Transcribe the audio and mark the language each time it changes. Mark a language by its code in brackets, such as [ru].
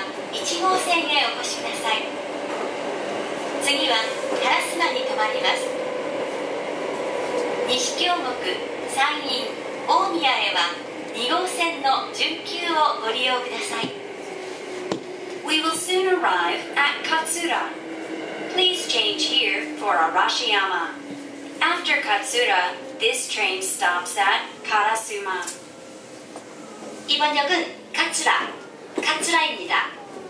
[ja] 1号線へお越しください。次はカラスマに停まります。西京極山陰大宮へは2号線の準急をご利用ください。 [en] We will soon arrive at Katsura. Please change here for Arashiyama. After Katsura, this train stops at Karasuma. [ko] 이번 역은 Katsura, Katsura입니다.